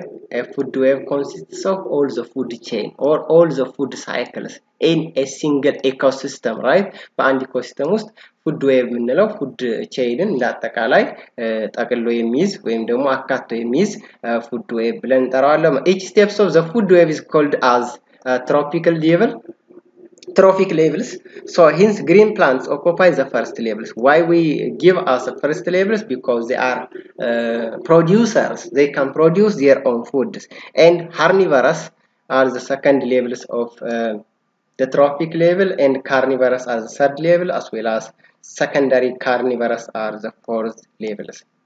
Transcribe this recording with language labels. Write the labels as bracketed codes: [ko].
[en] A food web consists of all the food chain or all the food cycles in a single ecosystem, right? [am] በአንድ ኢኮሲስተም ውስጥ ፉድ ዌብ የምንለው ፉድ ቼይንን እንዳጠቃላይ ጠቅሎ የሚይዝ ወይም ደግሞ አካቶ የሚይዝ ፉድ ዌብ ብለን እንጠራዋለን። [en] ኤች ስቴፕስ ኦፍ ዘ ፉድ ዌብ ኢዝ ኮልድ አዝ ትሮፒካል ሌቭል trophic levels. So hence green plants occupy the first levels. Why we give us the first levels? Because they are producers. They can produce their own foods. And herbivores are the second levels of the trophic level, and carnivores are the third level, as well as secondary carnivores are the fourth levels.